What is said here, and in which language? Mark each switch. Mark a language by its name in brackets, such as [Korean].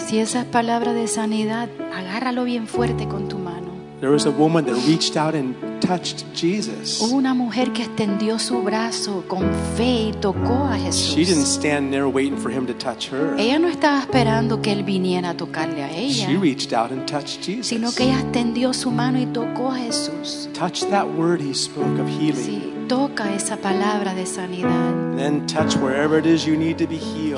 [Spanish] Si esa es palabra de sanidad, agárralo bien fuerte con tu mano. [English] There was a woman that reached out and touched Jesus. [Spanish] Hubo una mujer que extendió su brazo con fe y tocó a Jesús. [English] She didn't stand there waiting for him to touch her. [Spanish] Ella no estaba esperando que él viniera a tocarle a ella. [English] She reached out and touched Jesus. [Spanish] Sino que ella extendió su mano y tocó a Jesús. [English] Touch that word he spoke of healing. [Spanish] Sí, toca esa palabra de sanidad. [English] Then touch wherever it is you need to be healed.